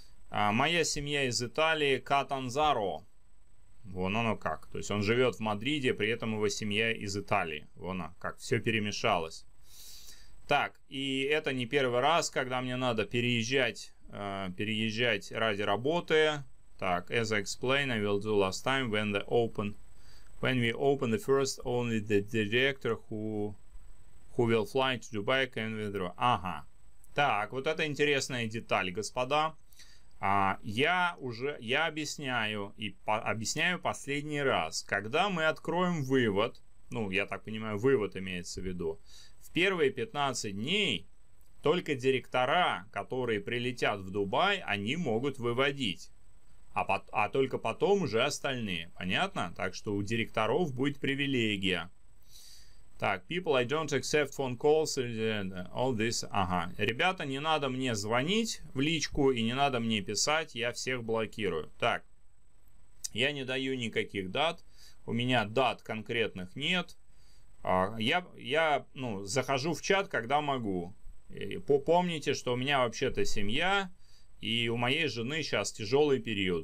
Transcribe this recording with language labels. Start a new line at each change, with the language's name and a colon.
Russian: Моя семья из Италии, Катанзаро. Вон оно как. То есть он живет в Мадриде, при этом его семья из Италии. Вон оно как, все перемешалось. Так, и это не первый раз, когда мне надо переезжать ради работы.
English: Так, as I explained, I will do last time when the open. When we open the first, only the director who will fly to Dubai can withdraw.
Russian: Ага. Так, вот это интересная деталь, господа. Я объясняю и объясняю последний раз. Когда мы откроем вывод, ну, я так понимаю, вывод имеется в виду, в первые 15 дней только директора, которые прилетят в Дубай, они могут выводить. А только потом уже остальные. Понятно? Так что у директоров будет привилегия.
English: Так, people, I don't accept phone calls, all this, ага.
Russian: Ребята, не надо мне звонить в личку и не надо мне писать, я всех блокирую. Так, я не даю никаких дат, у меня дат конкретных нет. Я захожу в чат, когда могу. И помните, что у меня вообще-то семья, и у моей жены сейчас тяжелый период.